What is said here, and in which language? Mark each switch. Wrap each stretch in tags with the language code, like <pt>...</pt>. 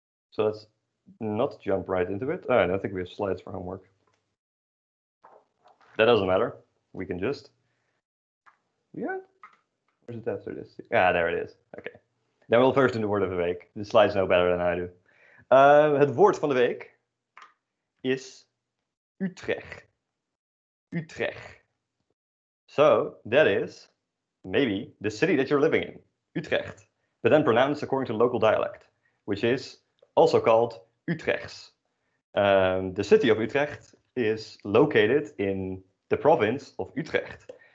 <en>So let's not jump right into it. I think we have slides for homework. That doesn't matter. We can just... Yeah. Or is it after this? Ah, there it is. Okay. Then we'll first do the Word of the Week. The slides know better than I do.</en> <nl>Het Woord van de Week is Utrecht. Utrecht.</nl> <en>So, that is, maybe, the city that you're living in. Utrecht. But then pronounced according to local dialect, which is also called Utrechts. The city of Utrecht is located in the province of Utrecht.</en>